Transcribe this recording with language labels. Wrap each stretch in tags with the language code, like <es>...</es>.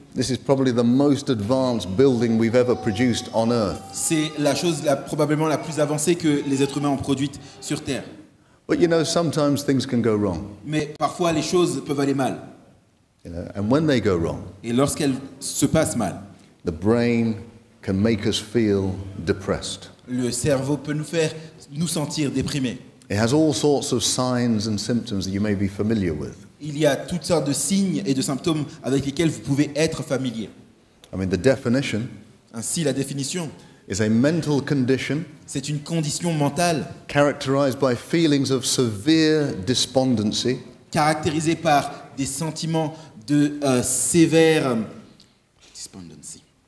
<en>This is probably the most advanced building we've ever produced on Earth.</en> <fr>C'est la chose probablement la plus avancée que les êtres humains ont produite sur Terre.</fr> <en>But you know, sometimes things can go wrong.</en> <fr>Mais parfois les choses peuvent aller mal.</fr> <en>You know, and when they go wrong,</en> <fr>et lorsqu'elles se passent mal,</fr> <en>the brain can make us feel depressed.</en> <fr>Le cerveau peut nous faire nous sentir déprimés.</fr> <en>It has all sorts of signs and symptoms that you may be familiar with.</en> <fr>Il y a toutes sortes de signes et de symptômes avec lesquels vous pouvez être familier.</fr> <en>I mean, the definition.</en> <fr>Ainsi, la définition.</fr> <en>Is a mental condition.</en> <fr>C'est une condition mentale.</fr> <en>Characterized by feelings of severe despondency.</en> <fr>Caractérisée par des sentiments de sévère. Despondency.</fr>